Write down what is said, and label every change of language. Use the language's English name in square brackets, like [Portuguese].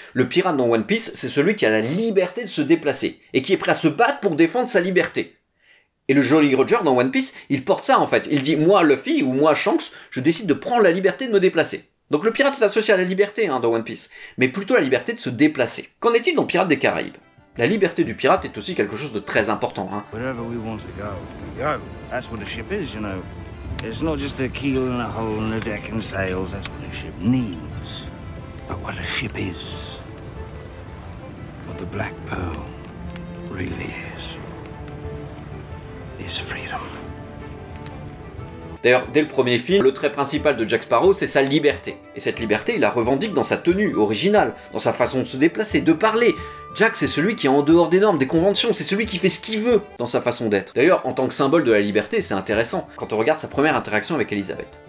[French] Le pirate dans One Piece, c'est celui qui a la liberté de se déplacer, et qui est prêt à se battre pour défendre sa liberté. Et le Jolly Roger dans One Piece, il porte ça en fait. Il dit « Moi Luffy, ou moi Shanks, je décide de prendre la liberté de me déplacer. » Donc le pirate est associé à la liberté hein, dans One Piece, mais plutôt à la liberté de se déplacer. Qu'en est-il dans Pirates des Caraïbes? La liberté du pirate est aussi quelque chose de très important. Hein. [English] Wherever we want to go, we go. That's what a ship is, you know. It's not just a keel and a hole in the deck and sails, that's what a ship needs. But what a ship is, what the Black Pearl really is. [French] D'ailleurs, dès le premier film, le trait principal de Jack Sparrow, c'est sa liberté. Et cette liberté, il la revendique dans sa tenue originale, dans sa façon de se déplacer, de parler. Jack, c'est celui qui est en dehors des normes, des conventions, c'est celui qui fait ce qu'il veut dans sa façon d'être. D'ailleurs, en tant que symbole de la liberté, c'est intéressant quand on regarde sa première interaction avec Elizabeth.